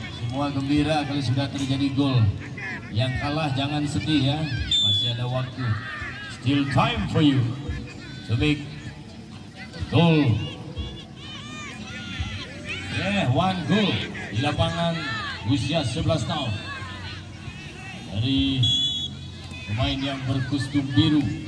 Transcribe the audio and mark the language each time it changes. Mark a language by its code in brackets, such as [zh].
[id] Semua gembira kalau sudah terjadi gol. Yang kalah jangan sedih ya. Masih ada waktu. [en] Still time for you to make goal. Yeah, one goal [id] di lapangan usia 11 tahun dari pemain yang berkostum biru.